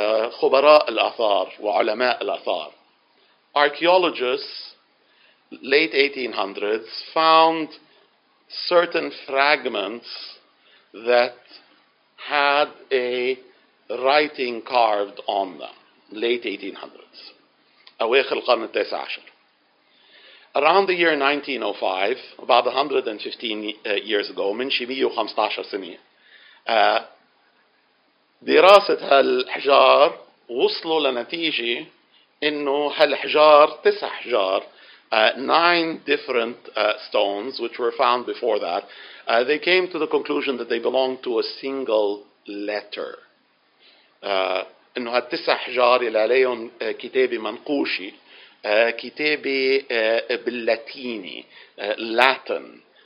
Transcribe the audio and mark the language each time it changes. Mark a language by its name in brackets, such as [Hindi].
[Arabic] خبراء الآثار وعلماء الآثار. [English] Archaeologists, late 1800s, found certain fragments that had a writing carved on them. Late 1800s. [Arabic] أواخر القرن التاسع عشر. [English] Around the year 1905, about 115 years ago, [Arabic] من شي 115 سنة، دراسة هالحجار وصلوا لنتيجة إنه هالحجار تسع حجار، [English] nine different stones which were found before that. They came to the conclusion that they belonged to a single letter. [Arabic] إنه هالتسع حجار اللي عليهم كتابة منقوشي، كتابة باللاتيني، Latin.